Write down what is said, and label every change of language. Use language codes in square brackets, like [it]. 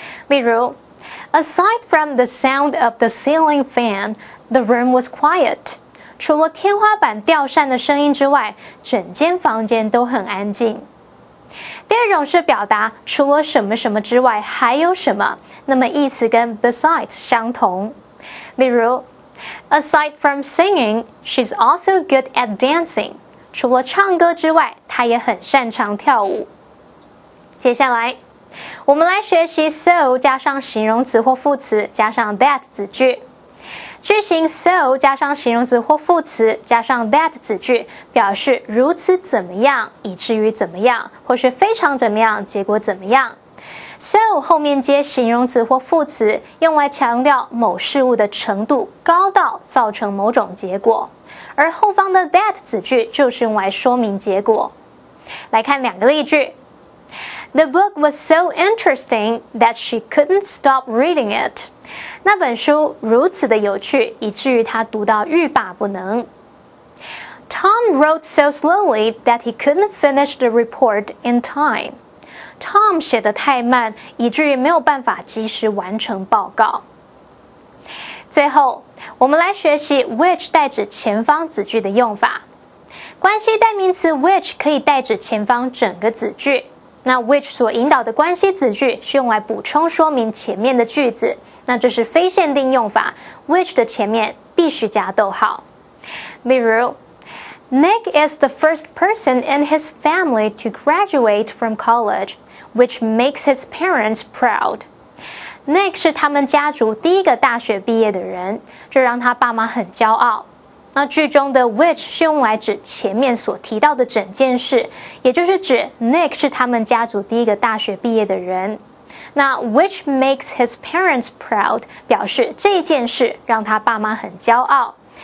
[zh] 例如 [en] aside from the sound of the ceiling fan, the room was quiet. [zh] 除了天花板吊扇的声音之外，整间房间都很安静。第二种是表达除了什么什么之外还有什么，那么意思跟 besides 相同。 [en] 例如 aside from singing, she's also good at dancing. [zh] 除了唱歌之外，她也很擅长跳舞。接下来我们来学习 so 加上形容词或副词，加上 that 子句。句型 so 加上形容词或副词，加上 that 子句，表示如此怎么样，以至于怎么样，或是非常怎么样，结果怎么样。 so 后面接形容词或副词，用来强调某事物的程度高到造成某种结果，而后方的 that 子句就是用来说明结果。来看两个例句。 [en] The book was so interesting that she couldn't stop reading it. [zh] 那本书如此的有趣，以至于她读到欲罢不能。 [en] Tom wrote so slowly that he couldn't finish the report in time. [zh] Tom 写得太慢，以至于没有办法及时完成报告。最后，我们来学习 which 代指前方子句的用法。关系代名词 which 可以代指前方整个子句。那 which 所引导的关系子句是用来补充说明前面的句子，那这是非限定用法， which 的前面必须加逗号。例如 [en] Nick is the first person in his family to graduate from college, which makes his parents proud. [zh] Nick 是他们家族第一个大学毕业的人，这让他爸妈很骄傲。那句中的 which 是用来指前面所提到的整件事，也就是指 Nick 是他们家族第一个大学毕业的人。那 [en] which makes his parents proud [zh] 表示这件事让他爸妈很骄傲。